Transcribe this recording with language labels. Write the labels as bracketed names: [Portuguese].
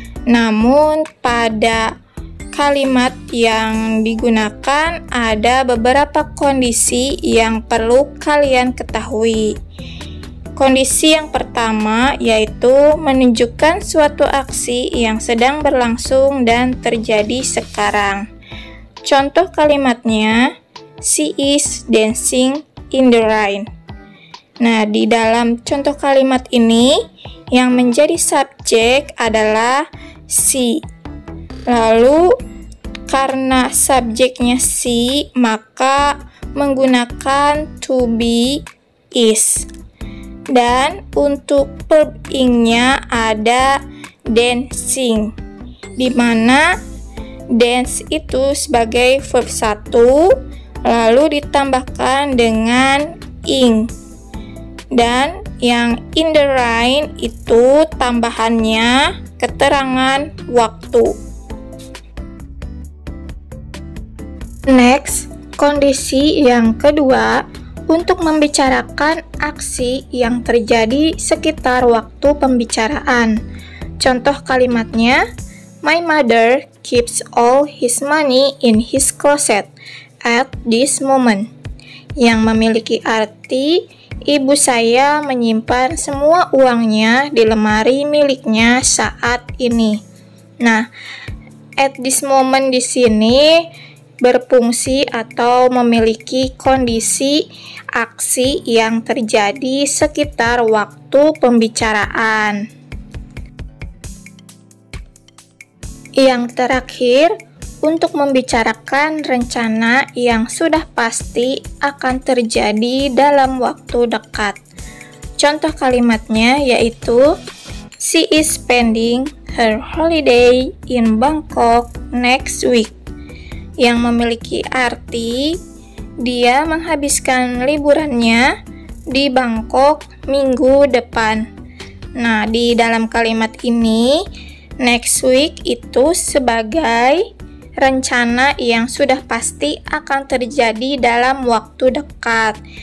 [Indonesian] Namun, pada kalimat yang digunakan ada beberapa kondisi yang perlu kalian ketahui. Kondisi yang pertama yaitu menunjukkan suatu aksi yang sedang berlangsung dan terjadi sekarang. Contoh kalimatnya, [English] she is dancing in the rain. [Indonesian] Nah, di dalam contoh kalimat ini yang menjadi subjek adalah she. Lalu karena subjeknya si, maka menggunakan to be is. Dan untuk verb-ing-nya ada dancing, di mana dance itu sebagai verb 1, lalu ditambahkan dengan ing. Dan yang [English] in the rain [Indonesian] itu tambahannya keterangan waktu. Next, kondisi yang kedua untuk membicarakan aksi yang terjadi sekitar waktu pembicaraan. Contoh kalimatnya, [English] my mother keeps all his money in his closet at this moment. [Indonesian] Yang memiliki arti, ibu saya menyimpan semua uangnya di lemari miliknya saat ini. Nah, [English] at this moment [Indonesian] di sini berfungsi atau memiliki kondisi aksi yang terjadi sekitar waktu pembicaraan. Yang terakhir, untuk membicarakan rencana yang sudah pasti akan terjadi dalam waktu dekat. Contoh kalimatnya yaitu, [English] she is spending her holiday in Bangkok next week. [Indonesian] Yang memiliki arti, dia menghabiskan liburannya di Bangkok minggu depan. Nah, di dalam kalimat ini, [English] next week [Indonesian] itu sebagai rencana yang sudah pasti akan terjadi dalam waktu dekat.